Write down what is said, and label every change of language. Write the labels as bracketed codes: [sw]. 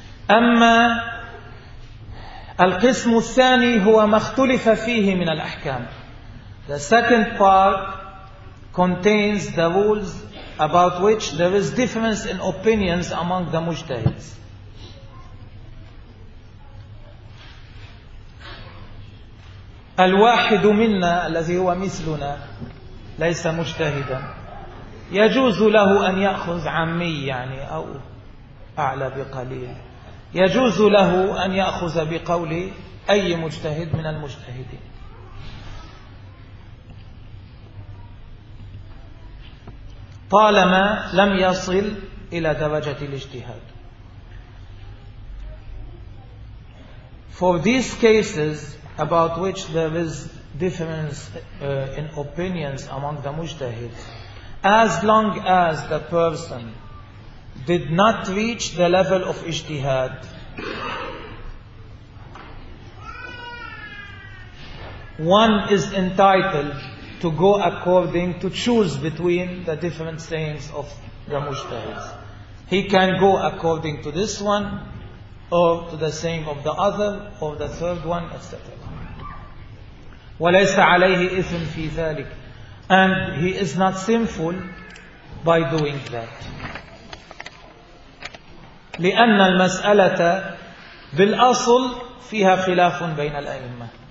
[ar] أما القسم الثاني هو ما اختلف فيه من الأحكام. [en] The second part contains the rules about which there is difference in opinions among the mujtahids. [ar] الواحد منا الذي هو مثلنا ليس مجتهدا يجوز له أن يأخذ عمي يعني أو أعلى بقليل, يجوز له أن يأخذ بقول أي مجتهد من المجتهدين. طالما لم يصل إلى درجة الاجتهاد. [en] For these cases about which there is difference in opinions among the mujtahids, as long as the person did not reach the level of ijtihad, one is entitled to go according to choose between the different sayings of the mujtahids. He can go according to this one or to the saying of the other or the third one, etc. [ar] وليس عليه إثم في ذلك, [en] and he is not sinful by doing that. [ar] لأن المسألة بالأصل فيها خلاف بين الأئمة.